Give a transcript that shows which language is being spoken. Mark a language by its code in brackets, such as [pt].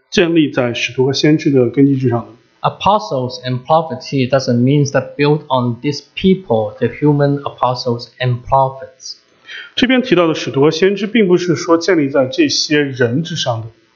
[zh] 就说提到我们这样的一个建造，也就是我们所有基督徒这样的一个整体的这样一个建造，是建立在使徒和先知的根基之上的。 [en] Apostles and prophets here doesn't mean that built on these people, the human apostles and prophets. [zh] 这边提到的使徒和先知并不是说建立在这些人之上的。